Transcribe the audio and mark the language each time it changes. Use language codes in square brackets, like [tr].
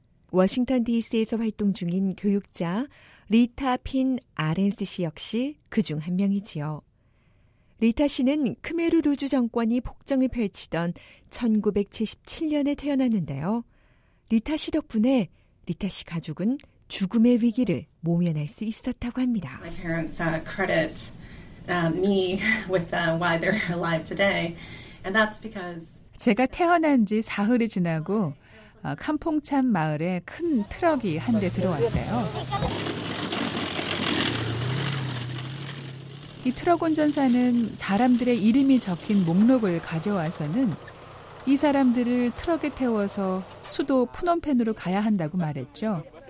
[ko] 워싱턴 DC에서 활동 중인 교육자 리타 핀 아렌스 씨 역시 그중 한 명이지요. 리타 씨는 크메르 루주 정권이 폭정을 펼치던 1977년에 태어났는데요. 리타 씨 덕분에 리타 씨 가족은 죽음의 위기를 모면할 수 있었다고 합니다. [en] My parents credit me with why they're alive today. And that's because [ko] 제가 태어난 지 사흘이 지나고 캄퐁찬 마을에 큰 트럭이 한 대 들어왔대요. 이 트럭 운전사는 사람들의 이름이 적힌 목록을 가져와서는 이 사람들을 트럭에 태워서 수도 프놈펜으로 가야 한다고 말했죠.